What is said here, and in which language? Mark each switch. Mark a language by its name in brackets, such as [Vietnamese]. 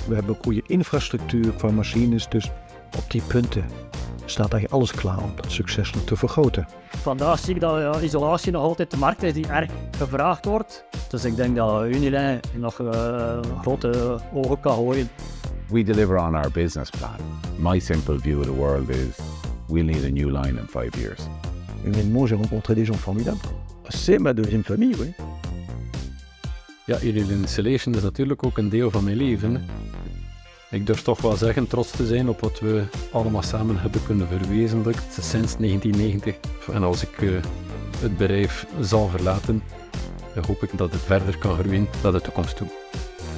[Dutch] We hebben een goede infrastructuur van machines, dus op die punten staat eigenlijk alles klaar om dat succes nog te vergroten. Vandaag zie ik dat isolatie nog altijd de markt is die erg gevraagd wordt. Dus ik denk dat Unilin nog grote ogen kan gooien. [English] We deliver on our business plan. My simple view of the world is, we need a new line in 5 years. [French] Unilin, moi j'ai rencontré des gens formidables. C'est ma deuxième famille, oui. [Dutch] Ja, Unilin Insulation is natuurlijk ook een deel van mijn leven. Ik durf toch wel zeggen trots te zijn op wat we allemaal samen hebben kunnen verwezenlijken sinds 1990. En als ik het bedrijf zal verlaten, dan hoop ik dat het verder kan groeien naar de toekomst toe.